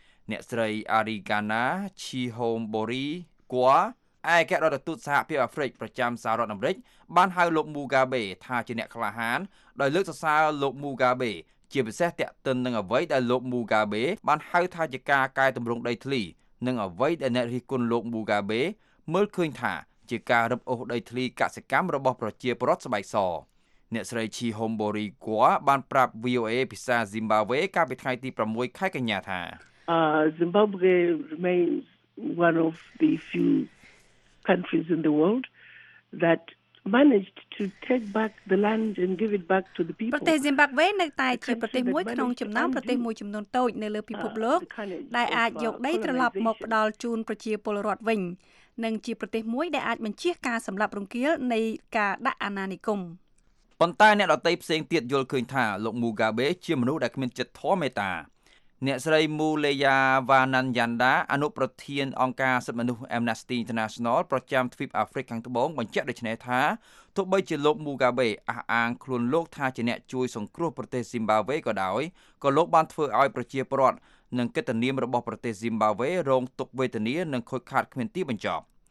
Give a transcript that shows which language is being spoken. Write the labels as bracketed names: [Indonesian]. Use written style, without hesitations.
[Khmer] អ្នកស្រី Arigana Chihombori Kwa ឯកអគ្គរដ្ឋទូតសហភាពអាហ្វ្រិកប្រចាំសហរដ្ឋអាមេរិកបានហៅលោក Mugabe ថាជាអ្នកក្លាហានដោយលើកសរសើរលោក Mugabe ជាពិសេសតាក់ទិននឹងអ្វីដែលលោក Mugabe បានហៅថាជាការកែតម្រង់ដីធ្លីនិងអ្វីដែលអ្នករិះគន់លោក Mugabe មើលឃើញថាជាការរឹបអូសដីធ្លីកសិកម្មរបស់ប្រជាពលរដ្ឋស្បែកសអ្នកស្រីឈីហុំបូរីគួរបានប្រាប់ VOA ភាសា Zimbabwe កាលពីថ្ងៃទី6ខែកញ្ញាថា [English] Zimbabwe remains one of the few countries in the world that managed to take back the land and give it back to the people [Khmer] ប្រទេស Zimbabwe នៅតែជាប្រទេសមួយក្នុងចំណោមប្រទេសមួយចំនួនតូចនៅលើពិភពលោកដែលអាចយកដីត្រឡប់មកផ្ដល់ជូនប្រជាពលរដ្ឋវិញនឹងជាប្រទេសមួយដែលអាចបញ្ជាការសម្លាប់រង្គាលនៃការដាក់អាណានិគម ប៉ុន្តែអ្នកដតីផ្សេងទៀតយល់ឃើញថាលោក Mugabe ជាមនុស្សដែលគ្មានចិត្តធម៌មេត្តាអ្នកស្រី Muleya Vananyanda អនុប្រធានអង្គការសិទ្ធិមនុស្ស Amnesty International ប្រចាំទ្វីបអាហ្វ្រិកខាងត្បូងបញ្ជាក់ដូចនេះថាទោះបីជាលោក Mugabe អះអាងខ្លួនលោកថាជាអ្នកជួយសង្គ្រោះប្រទេស Zimbabwe ក៏ដោយក៏លោកបានធ្វើឲ្យប្រជាពលរដ្ឋនិងកិត្តិនាមរបស់ប្រទេស Zimbabwe រងទុក្ខវេទនានិងខូចខាតគ្មានទីបញ្ចប់